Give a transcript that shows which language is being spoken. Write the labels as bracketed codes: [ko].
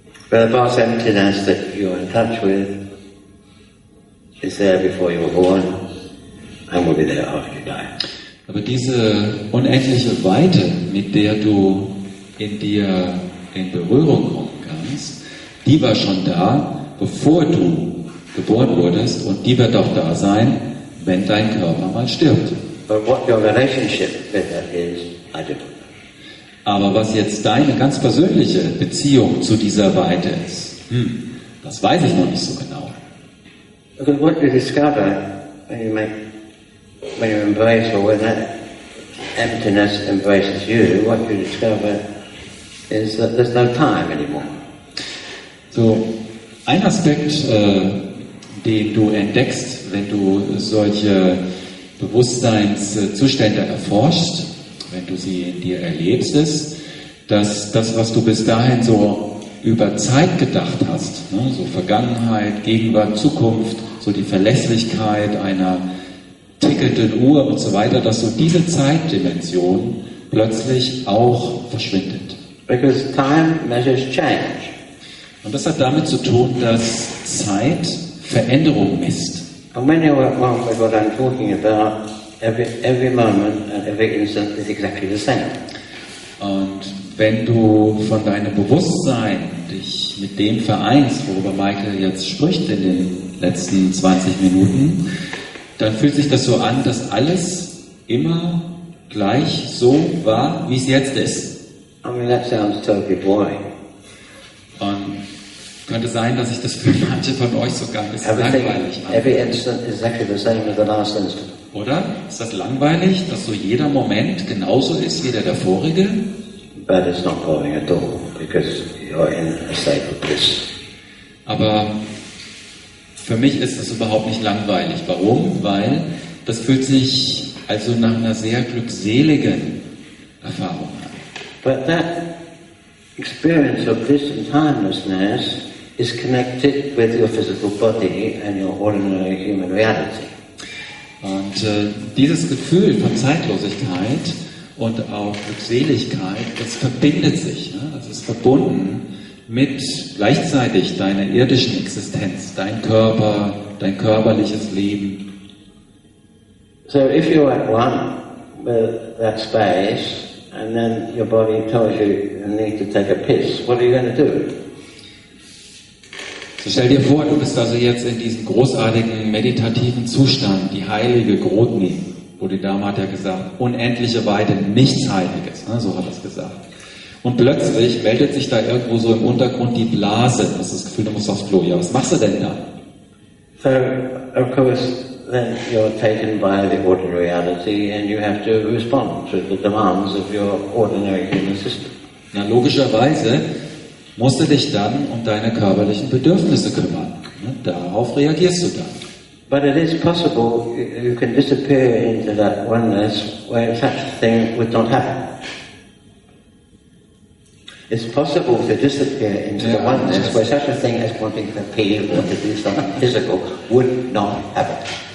[en] Well, the vast emptiness that you're in touch with is there before you were born and will be there after you die. [de] Aber diese unendliche Weite, mit der du in dir in Berührung kommen kannst, die war schon da, bevor du geboren wurdest, und die wird auch da sein, wenn dein Körper mal stirbt. [en] But what your relationship with that is, I don't know. [de] Aber was jetzt deine ganz persönliche Beziehung zu dieser Weite ist, das weiß ich noch nicht so genau. [en] Because what you discover when you make, when you embrace, or when that emptiness embraces you, what you discover is that there's no time anymore. [de] So, ein Aspekt, den du entdeckst, wenn du solche Bewusstseinszustände erforschst, wenn du sie in dir erlebst, ist, dass das, was du bis dahin so über Zeit gedacht hast, ne, so Vergangenheit, Gegenwart, Zukunft, so die Verlässlichkeit einer tickelnden Uhr und so weiter, dass so diese Zeitdimension plötzlich auch verschwindet. [en] Because time measures change. [de] Und das hat damit zu tun, dass Zeit Veränderung misst. [en] And when you work on what I'm talking about, every moment and every instant is exactly the same. [de] Und wenn du von deinem Bewusstsein dich mit dem vereinst, worüber Michael jetzt spricht in den letzten 20 Minuten, dann fühlt sich das so an, dass alles immer gleich so war, wie es jetzt ist. [en] I mean, that sounds totally boring. [de] Und könnte sein, dass ich das für manche von euch sogar ein bisschen [en] everything, [de] langweilig mache. [en] Every instant is exactly the same as the last instant. [de] Oder? Ist das langweilig, dass so jeder Moment genauso ist wie der vorige? [en] But it's not boring at all, because you're in a state of bliss. [de] Aber für mich ist das überhaupt nicht langweilig. Warum? Weil das fühlt sich also nach einer sehr glückseligen Erfahrung an. [en] But that experience of bliss and timelessness is connected with your physical body and your ordinary human reality. [de] Und dieses Gefühl von Zeitlosigkeit und auch Glückseligkeit, das verbindet sich, ne? Das ist verbunden mit gleichzeitig deiner irdischen Existenz, dein Körper, dein körperliches Leben. [en] So if you're at one with that space and then your body tells you you need to take a piss, what are you going to do? [de] So stell dir vor, du bist also jetzt in diesem großartigen meditativen Zustand, die heilige Grodni, wo die Dame hat ja gesagt, unendliche Weite, nichts Heiliges, ne, so hat er es gesagt. Und plötzlich meldet sich da irgendwo so im Untergrund die Blase, du hast das Gefühl, du musst aufs Klo, ja, was machst du denn da? [en] So, of course, then you're taken by the ordinary reality and you have to respond to the demands of your ordinary human system. [de] Na, logischerweise musst du dich dann um deine körperlichen Bedürfnisse kümmern. Darauf reagierst du dann. [en] But it is possible you can disappear into that oneness where such a thing would not happen. It's possible to disappear into the oneness where such a thing as wanting to pee or to do something physical would not happen.